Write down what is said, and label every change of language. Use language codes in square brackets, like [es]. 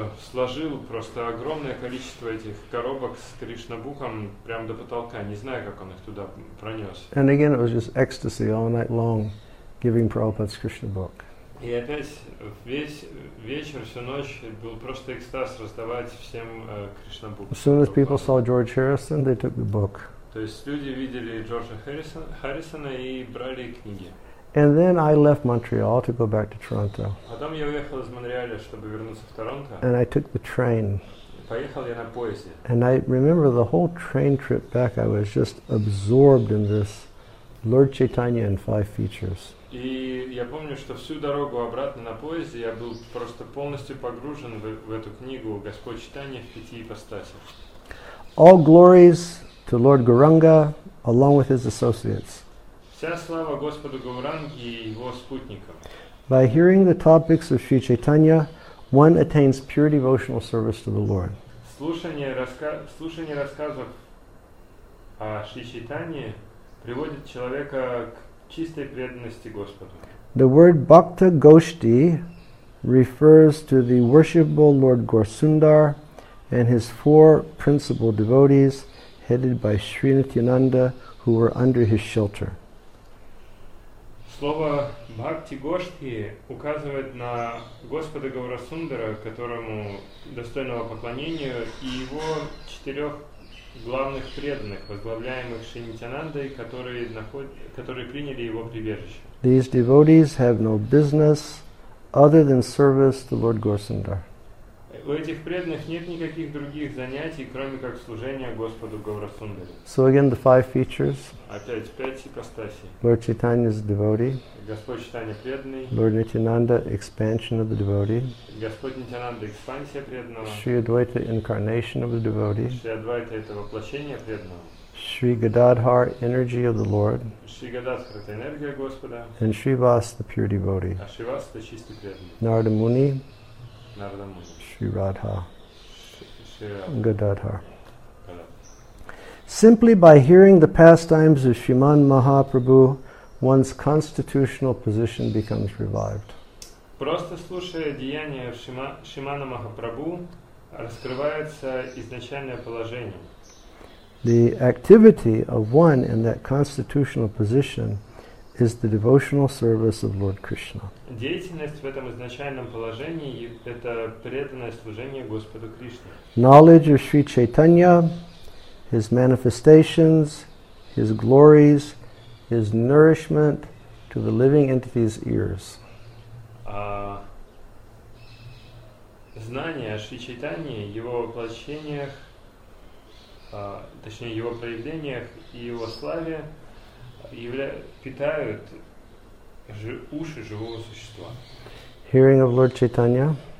[ru] сложил просто огромное количество этих коробок с Кришнабухом прямо до потолка, не знаю, как он их туда пронес. [en] And again, it was just ecstasy all night long, giving Prabhupada's Krishna book. [ru] И опять весь вечер, всю ночь был просто экстаз раздавать всем Кришнабух. [en] As soon as people saw George Harrison, they took the book. [ru] То есть люди видели Джорджа Харрисона и брали книги. [en] And then I left Montreal to go back to Toronto. [ru] Потом я уехал из Монреаля, чтобы вернуться в Торонто. [en] And I took the train. [ru] Поехал я на поезде. [en] And I remember the whole train trip back, I was just absorbed in this Lord Chaitanya and Five Features. [ru] И я помню, что всю дорогу обратно на поезде я был просто полностью погружен в эту книгу Господь Чайтанья в пяти ипостасях. [en] All glories to Lord Gauranga along with his associates. [ru] Вся слава Господу Гауранге и его спутникам. [en] By hearing the topics of Sri Chaitanya, one attains pure devotional service to the Lord. [ru] Слушание рассказов о Шри Чайтанье приводит человека к чистой преданности Господу. [en] The word Bhakta Goshti refers to the worshipable Lord Gaurasundar and his four principal devotees, headed by Sri Nityananda, who were under his shelter. [ru] Слово Бхакти Гошти указывает на Господа Гаурасундара, которому достойного поклонения, и его четырех главных преданных, возглавляемых Шри Нитянандой, которые приняли его прибежище. [en] These devotees have no business other than service to Lord Gaurasundara. [ru] У этих преданных нет никаких других занятий, кроме как служения Господу Гаурасундаре. [en] So again, the five features. [ru] Опять пять ипостаси. [en] Lord Chaitanya's devotee. [ru] Господь Чайтанья преданный. [en] Lord Nityananda, expansion of the devotee. [ru] Господь Нитянанда, экспансия преданного. [en] Sri Advaita, incarnation of the devotee. [ru] Sri Advaita, это воплощение преданного. [en] Sri Gadadhar, energy of the Lord. [ru] Sri Gadadhar, это энергия Господа. [en] And Sri Vas, the pure devotee. [ru] А Sri Vas, это чистый преданный. [en] Narada Muni. [ru] Narada Muni. [en] Sri Radha, Sri Gadadhar. Simply by hearing the pastimes of Sriman Mahaprabhu, one's constitutional position becomes revived. [ru] Просто слушая деяния Шримана Махапрабху, раскрывается изначальное положение. [en] The activity of one in that constitutional position is the devotional service of Lord Krishna. [ru] Деятельность в этом изначальном положении – это преданное служение Господу Кришне. [en] Knowledge of Sri Chaitanya, his manifestations, his glories, his nourishment to the living entity's ears. [ru] Знание о Шри Чайтанье, его воплощениях, точнее, его проявлениях и его славе питают уши живого существа. [en] Hearing of Lord Chaitanya.